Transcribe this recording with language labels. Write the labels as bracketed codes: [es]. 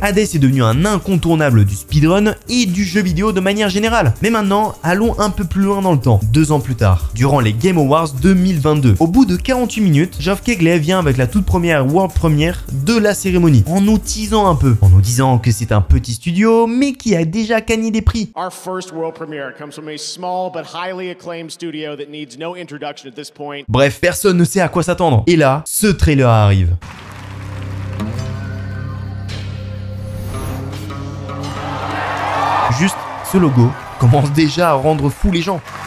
[fr] Hadès est devenu un incontournable du speedrun et du jeu vidéo de manière générale. Mais maintenant, allons un peu plus loin dans le temps. 2 ans plus tard, durant les Game Awards 2022, au bout de 48 minutes, Geoff Keighley vient avec la toute première world première de la cérémonie, en nous teasant un peu, en nous disant que c'est un petit studio, mais qui a déjà gagné des prix. [en] Our first world premiere comes from a small but highly acclaimed studio that needs no introduction at this point. [fr] Bref, personne ne sait à quoi s'attendre. Et là, ce trailer arrive. Juste, ce logo commence déjà à rendre fou les gens.